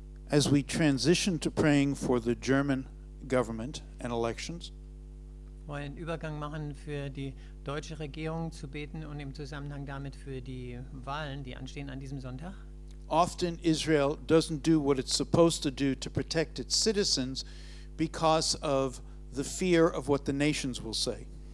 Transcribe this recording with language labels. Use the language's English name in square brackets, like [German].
[English] As we transition to praying for the German government and elections. [German] Wollen einen Übergang machen für die deutsche Regierung zu beten und im Zusammenhang damit für die Wahlen, die anstehen an diesem Sonntag. [English] Often Israel doesn't do what it's supposed to do to protect its citizens because of the fear of what the nations will say.